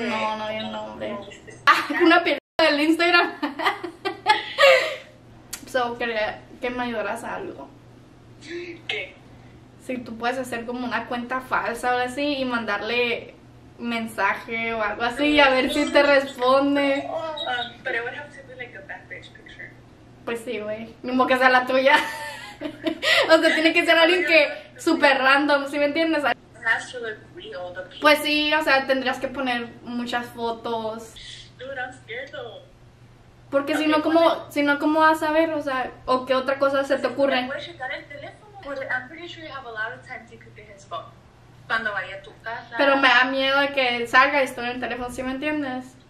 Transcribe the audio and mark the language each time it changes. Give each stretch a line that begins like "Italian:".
Spanish: No, no vi el nombre. No, ¿viste? Ah, una pierna del Instagram. So, quería que me ayudaras a algo. ¿Qué? Si tú puedes hacer como una cuenta falsa o así y mandarle mensaje o algo así y a ver si te responde.
English: Pero what happens if we like a bad bitch picture?
Spanish: Pues sí, güey. Ni modo que sea la tuya. O sea, tiene que ser alguien que super random, ¿sí me entiendes?
English: It has to look real, the people.
Spanish: Pues sí, o sea, tendrías que poner muchas fotos.
English: Dude, I'm scared though.
Spanish: Porque si no, ¿cómo vas a ver? O sea, ¿o qué otra cosa se te ocurre? ¿Puedes checar el teléfono?
English: Porque I'm pretty sure you have a lot of time to get his phone.
Spanish: Cuando vaya a tu casa. Pero me da miedo de que salga y esté en el teléfono, ¿sí me entiendes?